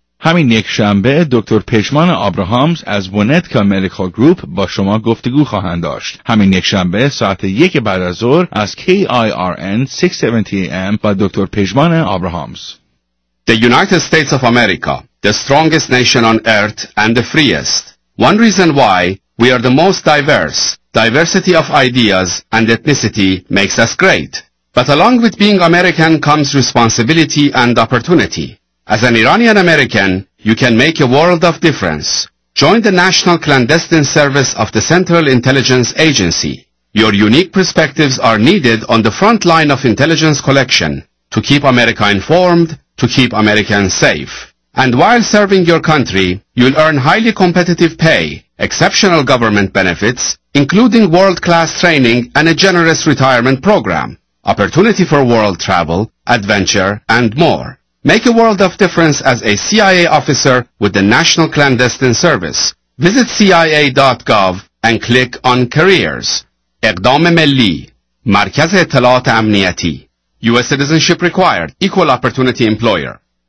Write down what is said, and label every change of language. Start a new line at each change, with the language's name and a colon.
Persian: همین یک شنبه دکتر پشمان آبراهامز از بونتکا مدیکال گروپ با شما گفتگو خواهند داشت. همین یک شنبه ساعت 1 بعد از ظهر از KIRN 670 AM با دکتر پشمان آبراهامز.
English: The United States of America, the strongest nation on earth and the freest. One reason why we are the most diverse. Diversity of ideas and ethnicity makes us great. But along with being American comes responsibility and opportunity. As an Iranian American, you can make a world of difference. Join the National Clandestine Service of the Central Intelligence Agency. Your unique perspectives are needed on the front line of intelligence collection to keep America informed, to keep Americans safe. And while serving your country, you'll earn highly competitive pay, exceptional government benefits, including world-class training and a generous retirement program, opportunity for world travel, adventure, and more. Make a world of difference as a CIA officer with the National Clandestine Service. Visit CIA.gov and click on Careers.
Persian: اقدام ملی، مرکز اطلاعات امنیتی.
English: U.S. citizenship required. Equal opportunity employer.